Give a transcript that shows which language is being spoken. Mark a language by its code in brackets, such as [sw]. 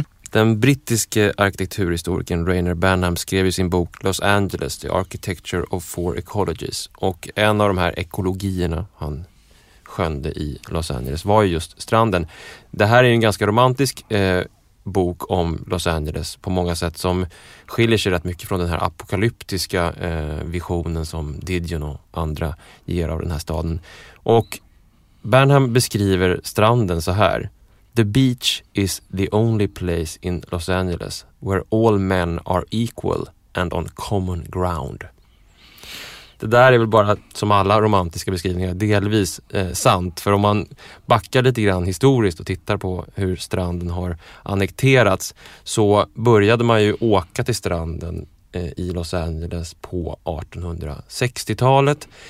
[sv] Den brittiske arkitekturhistorikern Rainer Banham skrev i sin bok Los Angeles, The Architecture of Four Ecologies, och en av de här ekologierna han skönde i Los Angeles var ju just stranden. Det här är en ganska romantisk bok om Los Angeles på många sätt, som skiljer sig rätt mycket från den här apokalyptiska visionen som Didion och andra ger av den här staden. Och Banham beskriver stranden så här: [en] "The beach is the only place in Los Angeles where all men are equal and on common ground." [sv] Det där är väl bara, som alla romantiska beskrivningar, delvis sant. För om man backar lite grann historiskt och tittar på hur stranden har annekterats, så började man ju åka till stranden i Los Angeles på 1860-talet.